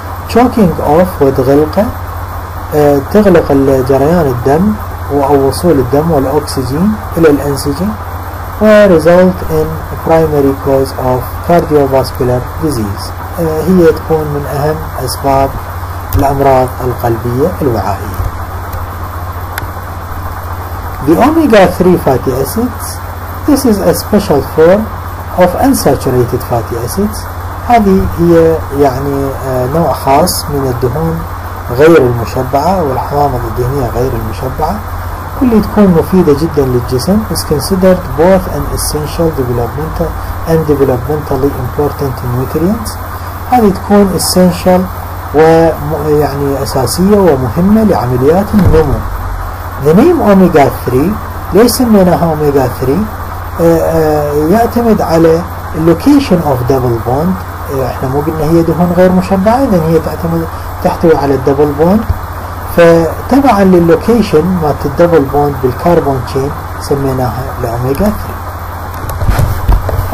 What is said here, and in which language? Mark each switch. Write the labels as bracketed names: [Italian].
[English] Choking off [Arabic] وتغلق تغلق جريان الدم أو وصول الدم والأكسجين إلى الأنسجة. [English] Result in primary cause of cardiovascular disease. [Arabic] هي تكون من أهم أسباب الأمراض القلبية الوعائية. [English] The omega-3 fatty acids. This is a special form of unsaturated fatty acids. [Arabic] هذه هي يعني نوع خاص من الدهون غير المشبعة والحوامض الدهنية غير المشبعة، واللي تكون مفيدة جدا للجسم. [English] It's considered both an essential developmentally important nutrient. [Arabic] هذه تكون essential ويعني أساسية ومهمة لعمليات النمو. [English] The name omega 3 [Arabic] ليس منها [English] omega 3 [Arabic] يعتمد على [English] location of double bond. [Arabic] احنا مو قلنا هي دهون غير مشبعة، اذا هي تعتمد تحتوي على الدبل بوند، فتبعا للوكيشن مالت الدبل بوند بالكربون تشين سميناها الاوميجا 3.